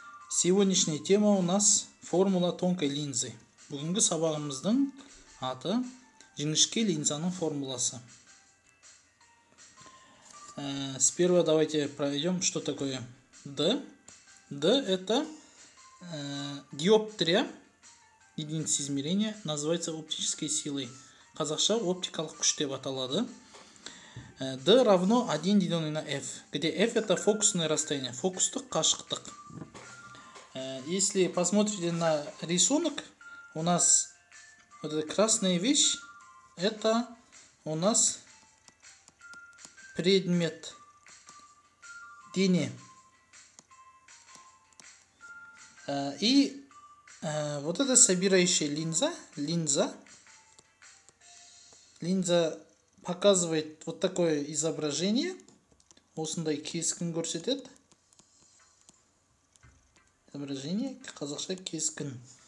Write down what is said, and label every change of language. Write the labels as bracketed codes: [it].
[ru] Сегодняшняя тема у нас формула тонкой линзы. [kk] Бүгінгі сабағымыздың аты жіңішке линзаның формуласы. [ru] Сперва давайте проведем, что такое D. D это диоптрия, единица измерения, называется оптической силой. [kk] Қазақша оптикалық күш деп аталады. [ru] D равно 1 деленное на F, где F это фокусное расстояние, [kk] фокус-тык, кашык-тык. [ru] Если посмотрите на рисунок, у нас вот эта красная вещь, это у нас предмет тени. И вот эта собирающая линза показывает вот такое изображение. [kk] Осындай кескін көрсетеді. Изображение қазақша кескін.